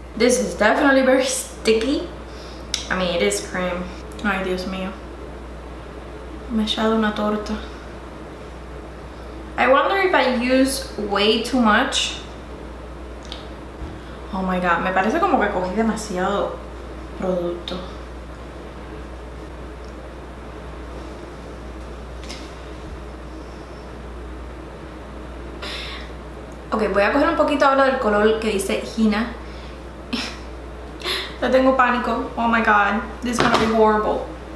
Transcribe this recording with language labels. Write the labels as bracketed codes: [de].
[en] This is definitely very sticky. I mean, it is cream. [es] Ay, Dios mío. Me he echado una torta. [en] I wonder if I use way too much. Oh my god, [es] me parece como que cogí demasiado producto. Ok, voy a coger un poquito ahora del color que dice Gina. Ya tengo pánico. [en] Oh my god, this is gonna be horrible.